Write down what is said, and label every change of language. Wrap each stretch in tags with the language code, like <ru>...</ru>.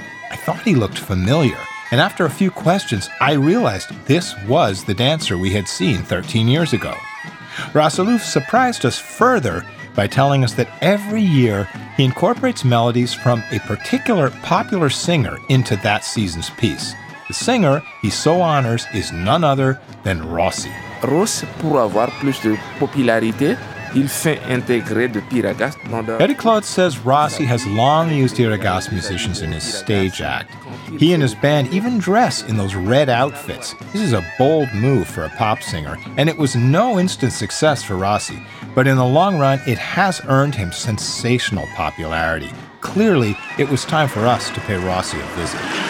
<en>I thought he looked familiar, and after a few questions, I realized this was the dancer we had seen 13 years ago. Rasulouf surprised us further by telling us that every year he incorporates melodies from a particular popular singer into that season's piece. The singer he so honors is none other than Rossi.</en> <fr>Rossi, pour avoir plus de popularité, il fait intégrer de Iragas dans le...</fr> <en>Eddie Claude says Rossi has long used Iragas musicians in his stage act. He and his band even dress in those red outfits. This is a bold move for a pop singer, and it was no instant success for Rossi. But in the long run, it has earned him sensational popularity. Clearly, it was time for us to pay Rossi a visit.</en>